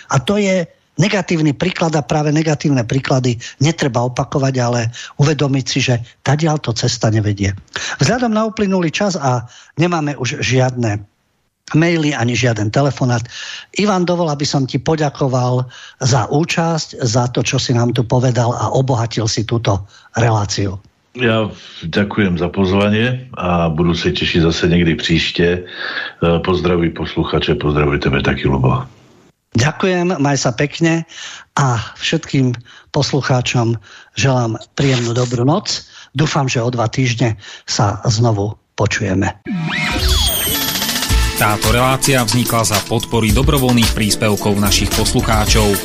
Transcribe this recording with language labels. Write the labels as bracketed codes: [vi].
[sk] A to je negatívny príklad a práve negatívne príklady netreba opakovať, ale uvedomiť si, že tadiaľ to cesta nevedie. Vzhľadom na uplynulý čas a nemáme už žiadne maily ani žiaden telefonát, Ivan, dovol, aby som ti poďakoval za účasť, za to, čo si nám tu povedal a obohatil si túto reláciu. [cs] Já děkuji za pozvání a budu se těšit zase někdy příště. Pozdraví posluchače, pozdraví tebe taky, Ľubo. [sk] Ďakujem, maj sa pekne a všetkým poslucháčom želám príjemnú dobrú noc. Dúfam, že o 2 týždne sa znovu počujeme. Táto relácia vznikla za podpory dobrovoľných príspevkov našich poslucháčov.